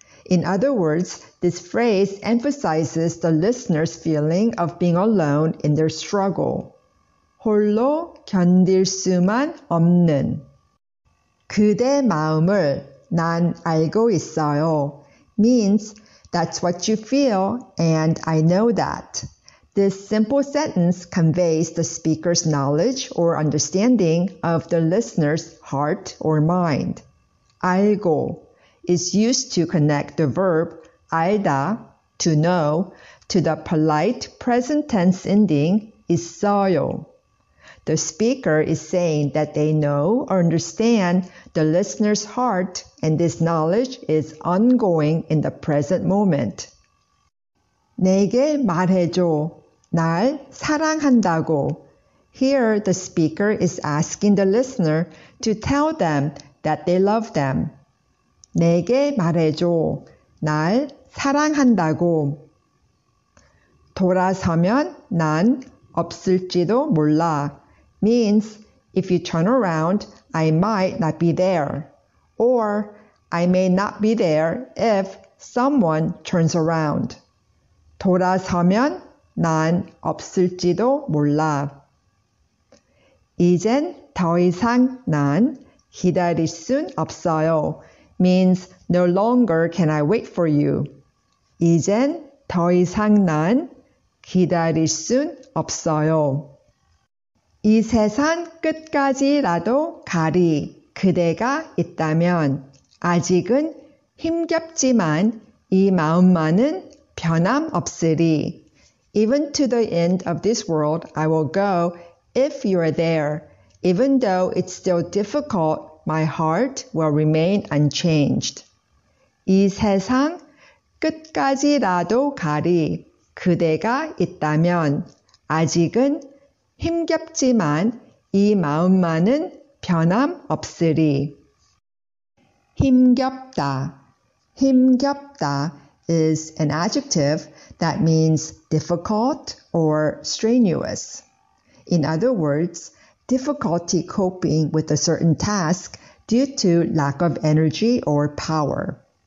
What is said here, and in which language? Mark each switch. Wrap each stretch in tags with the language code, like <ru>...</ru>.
<en>In other words, this phrase emphasizes the listener's feeling of being alone in their struggle.</en> <ko>홀로 견딜 수만 없는 그대 마음을 난 알고 있어요</ko> <en>means that's what you feel and I know that. This simple sentence conveys the speaker's knowledge or understanding of the listener's heart or mind.</en> <ko>알고</ko> <en>is used to connect the verb 알다 to know to the polite present tense ending 있어요. The speaker is saying that they know or understand the listener's heart and this knowledge is ongoing in the present moment.</en> <ko>내게 말해줘. 날 사랑한다고.</ko> <en>Here, the speaker is asking the listener to tell them that they love them.</en> <ko>내게 말해줘. 날 사랑한다고. 돌아서면 난 없을지도 몰라</ko> <en>means if you turn around, I might not be there. Or I may not be there if someone turns around.</en> <ko>돌아서면 난 없을지도 몰라. 이젠 더 이상 난 기다릴 순 없어요</ko> <en>means no longer can I wait for you.</en> <ko>이젠 더 이상 난 기다릴 순 없어요. 이 세상 끝까지라도 가리 그대가 있다면 아직은 힘겹지만 이 마음만은 변함 없으리.</ko> <en>Even to the end of this world, I will go if you are there. Even though it's still difficult, my heart will remain unchanged.</en> <ko>이 세상 끝까지라도 가리 그대가 있다면 아직은 힘겹지만 이 마음만은 변함 없으리. 힘겹다.</ko> <en>힘겹다 is an adjective that means difficult or strenuous. In other words, difficulty coping with a certain task due to lack of energy or power.</en>